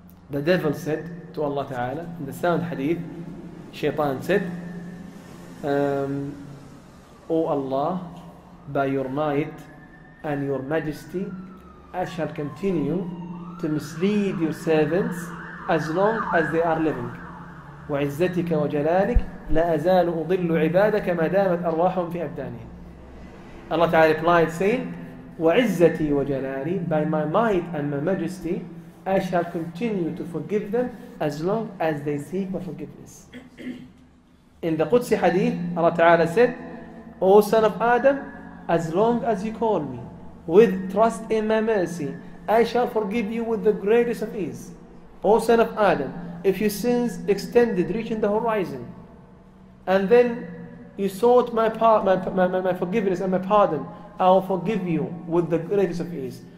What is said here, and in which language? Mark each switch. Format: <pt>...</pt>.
<en>The devil said to Allah Ta'ala, in the sound hadith, Shaitan said, O Allah, by your might and your majesty, I shall continue to mislead your servants as long as they are living.</en> <ar>وعزتك وجلالك لا أزال أضل عبادك ما دامت أرواحهم في أبدانهم.</ar> <en>Allah Ta'ala replied saying,</en> <ar>وعزتي وجلالي,</ar> <en>by my might and my majesty, I shall continue to forgive them as long as they seek my forgiveness. In the Qudsi Hadith, Allah Ta'ala said, O son of Adam, as long as you call me with trust in my mercy, I shall forgive you with the greatest of ease. O son of Adam, if your sins extended reaching the horizon, and then you sought my forgiveness and my pardon, I will forgive you with the greatest of ease.</en>